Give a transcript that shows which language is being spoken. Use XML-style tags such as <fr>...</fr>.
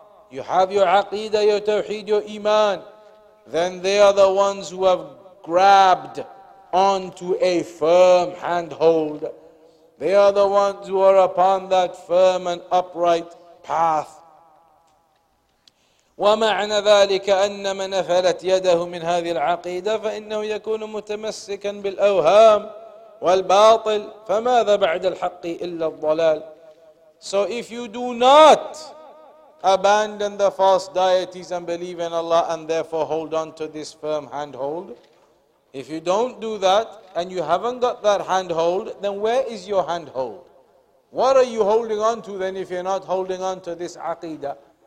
<en>You have your aqidah, your tawheed, your iman. Then they are the ones who have grabbed onto a firm handhold. They are the ones who are upon that firm and upright path.</en> <ar>ومعنى ذلك أن من نفلت يده من هذه العقيدة فإنه يكون متمسكا بالأوهام والباطل فماذا بعد الحق إلا الضلال.</ar> <en>So if you do not abandon the false deities and believe in Allah and therefore hold on to this firm handhold, if you don't do that and you haven't got that handhold, then where is your handhold? What are you holding on to then if you're not holding on to this aqidah?</en>